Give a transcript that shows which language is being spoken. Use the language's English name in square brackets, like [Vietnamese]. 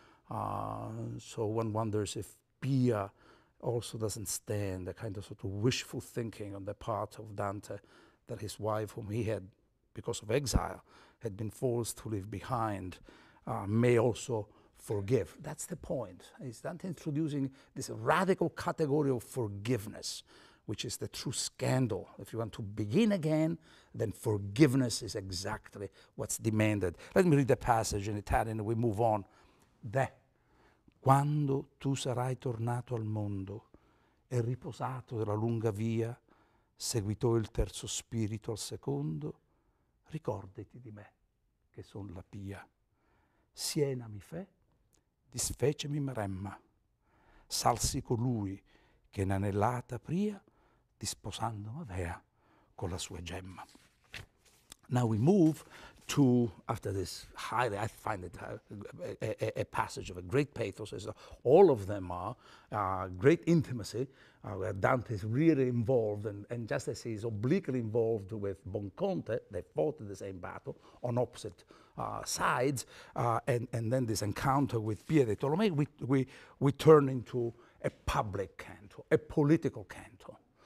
[English] So one wonders if Pia also doesn't stand a kind of sort of wishful thinking on the part of Dante that his wife, whom he had, because of exile, had been forced to leave behind, may also forgive. That's the point. Is Dante introducing this radical category of forgiveness, which is the true scandal? If you want to begin again, then forgiveness is exactly what's demanded. Let me read the passage in Italian and we move on. [Italian] De, quando tu sarai tornato al mondo e riposato della lunga via, Seguitò il terzo spirito al secondo. Ricordati di me, che son la pia. Siena mi fe, disfecemi maremma. Salsi colui che n'anellata pria, disposando m'avea con la sua gemma. [English] Now we move to, after this highly, I find it a passage of a great pathos, as all of them are, great intimacy, where Dante is really involved, and just as he's obliquely involved with Bonconte, they fought the same battle on opposite sides, and then this encounter with Pia de Tolomei, we turn into a public canto, a political canto.